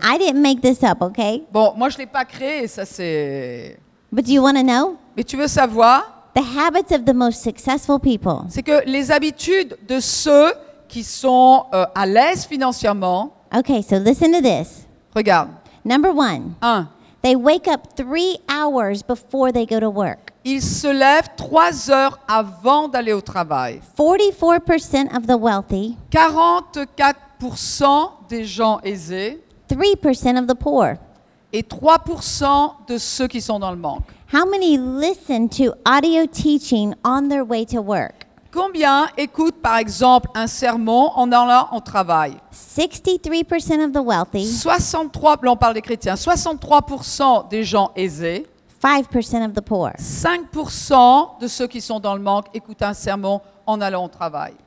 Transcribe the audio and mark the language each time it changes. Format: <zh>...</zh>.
<en>I didn't make this up, okay?</en> <fr>Bon, moi, je ne l'ai pas créé, ça c'est...</fr> <en>But do you want to know?</en> <fr>Mais tu veux savoir?</fr> <en>The habits of the most successful people.</en> <fr>C'est que les habitudes de ceux qui sont à l'aise financièrement...</fr> <en>Okay, so listen to this.</en> <fr>Regarde.</fr> <en>Number one.</en> <fr>Un.</fr> <en>They wake up 3 hours before they go to work.</en> <fr>Ils se lèvent 3 heures avant d'aller au travail.</fr> <en>44% of the wealthy.</en> <fr>44% des gens aisés.</fr> <en>3% of the poor.</en> <fr>Et 3% de ceux qui sont dans le manque.</fr> <en>How many listen to audio teaching on their way to work?</en> <fr>Combien écoutent, par exemple, un sermon en allant au travail?</fr> <en>63% of the wealthy.</en> <fr>63%, on parle des chrétiens, 63% des gens aisés.</fr> <en>5% of the poor.</en> <fr>5% de ceux qui sont dans le manque écoutent un sermon en allant au travail.</fr>